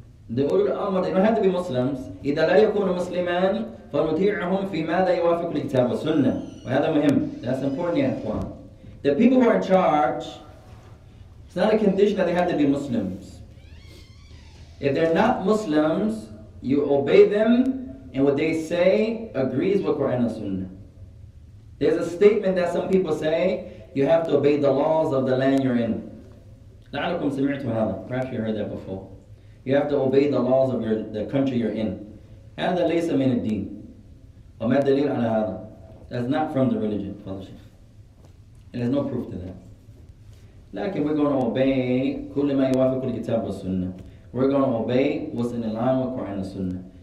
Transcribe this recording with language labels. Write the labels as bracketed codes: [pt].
[en] They have to be Muslims, right? They don't have to be Muslims. [ar] إذا لا يكون مسلمان فنطيعهم فيما لا يوافق الكتاب والسنة. وهذا مهم. [en] That's important, yeah, Juan. The people who are in charge, it's not a condition that they have to be Muslims. If they're not Muslims, you obey them, and what they say agrees with Quran and Sunnah. There's a statement that some people say, you have to obey the laws of the land you're in. [ar] لَعَلَكُمْ سَمِعْتُ هَذَا. [en] Perhaps you heard that before. You have to obey the laws of the country you're in. [ar] هَذَا لَيْسَ مِنَ الدِّينِ وَمَا الدَّلِيلُ عَلَى هَذَا. [en] That's not from the religion, Father Sheikh. And there's no proof to that. [ar] لكن [en] we're going to obey [ar] كل ما يوافق الكتاب والسنة. [en] We're going to obey what's in line with Quran and Sunnah.